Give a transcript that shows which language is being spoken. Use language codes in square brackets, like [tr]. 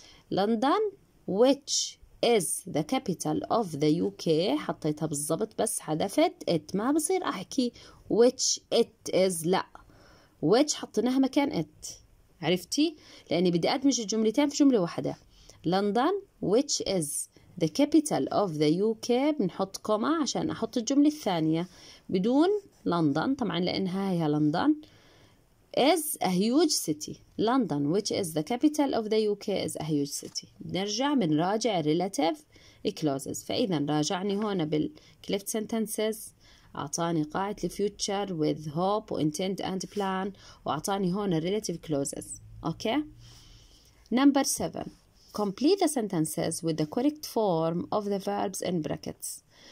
[en] London which is the capital of the U K, [ar] حطيتها بالضبط بس حذفت ات، ما بصير احكي [en] which it is, [ar] لا ويتش حطيناها مكان ات، عرفتي؟ لأني بدي أدمج الجملتين في جملة واحدة. لندن [en] which is the capital of the UK، [ar] بنحط كوما عشان أحط الجملة الثانية بدون لندن طبعا لأنها هي لندن. [en] is a huge city. London which is the capital of the UK is a huge city. [ar] بنرجع بنراجع [en] relative clauses. [ar] فإذا راجعني هون بالcleft sentences، أعطاني قاعدة الفيوتشر with hope و intend and plan، وأعطاني هون relative clauses. [en] Okay? Number 7 complete the sentences with the correct form of the verbs in brackets.